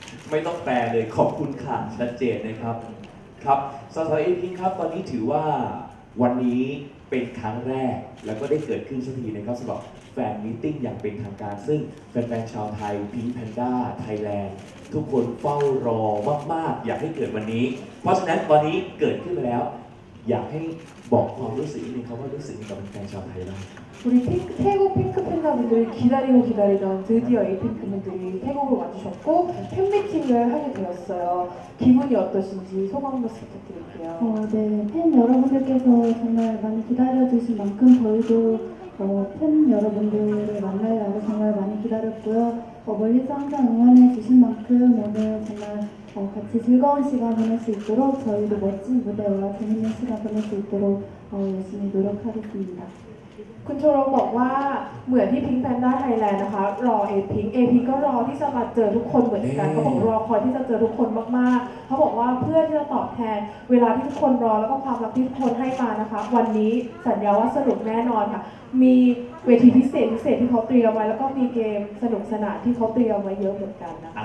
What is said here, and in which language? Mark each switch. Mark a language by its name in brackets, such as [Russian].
[Thai] ไม่ต้องแปลเลยขอบคุณค่ะชัดเจนนะครับครับสาวๆเอพิงครับตอนนี้ถือว่าวันนี้เป็นครั้งแรกแล้วก็ได้เกิดขึ้นสักทีนะครับสำหรับแฟนมีตติ้งอย่างเป็นทางการซึ่งแฟนๆชาวไทยพิงค์แพนด้าไทยแลนด์ทุกคนเฝ้ารอมากๆอยากให้เกิดวันนี้เพราะฉะนั้นวันนี้เกิดขึ้นแล้วอยากให้บอกความรู้สึกนึงครับว่ารู้สึกกับแฟนชาวไทยบ้าง [Korean] 우리 핑크 태국 핑크 팬분들이 기다리고 기다리던 드디어 에이핑크 분들이 태국으로 와주셨고 팬미팅을 하게 되었어요. 기분이 어떠신지 소감 부탁드릴게요. 네, 팬 여러분들께서 정말 많이 기다려주신 만큼 저희도 팬 여러분들을 만날 날을 정말 많이 기다렸고요. 멀리서 항상 응원해 주신 만큼 오늘 정말 같이 즐거운 시간 보낼 수 있도록 저희도 멋진 무대와 재밌는 시간 보낼 수 있도록 열심히 노력하겠습니다. [Thai] คุณโชโรบอกว่าเหมือนที่พิงค์แพนด้าไทยแลนด์นะคะรอเอพิงค์เอพิงค์ก็รอที่จะมาเจอทุกคนเหมือนกันเขาบอกรอคอยที่จะเจอทุกคนมากๆเขาบอกว่าเพื่อที่จะตอบแทนเวลาที่ทุกคนรอแล้วก็ความรักที่ทุกคนให้มานะคะวันนี้สัญญาว่าสนุกแน่นอนค่ะมีเวทีพิเศษที่เขาเตรียมไว้แล้วก็มีเกมสนุกสนานที่เขาเตรียมไว้เยอะเหมือนกันนะ